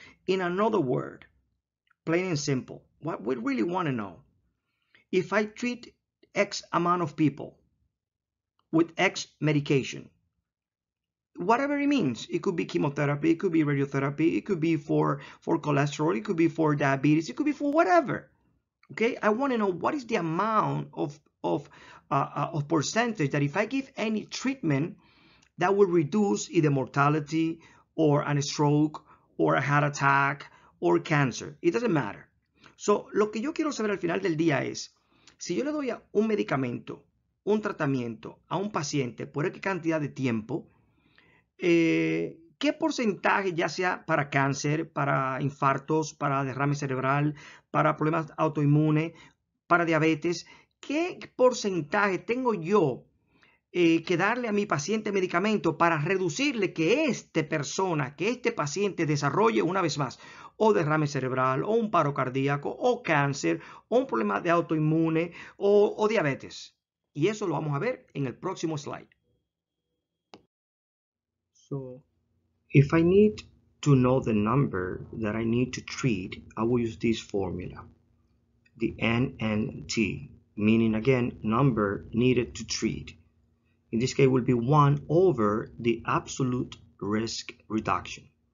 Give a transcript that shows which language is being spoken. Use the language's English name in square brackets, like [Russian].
[English] In another word, plain and simple, what we really want to know, if I treat X amount of people with X medication, whatever it means, it could be chemotherapy, it could be radiotherapy, it could be for cholesterol, it could be for diabetes, it could be for whatever. Okay, I want to know what is the amount of percentage that if I give any treatment that will reduce either mortality or a stroke or a heart attack or cancer. It doesn't matter. [Spanish] So, lo que yo quiero saber al final del día es, si yo le doy a un medicamento, un tratamiento a un paciente por qué cantidad de tiempo, ¿qué porcentaje, ya sea para cáncer, para infartos, para derrame cerebral, para problemas autoinmunes, para diabetes, qué porcentaje tengo yo que darle a mi paciente medicamento para reducirle que esta persona, que este paciente desarrolle una vez más o derrame cerebral, o un paro cardíaco, o cáncer, o un problema de autoinmune, o diabetes? Y eso lo vamos a ver en el próximo slide. [English] So, if I need to know the number that I need to treat, I will use this formula, the NNT, meaning again, number needed to treat. In this case, it will be 1 over the absolute risk reduction.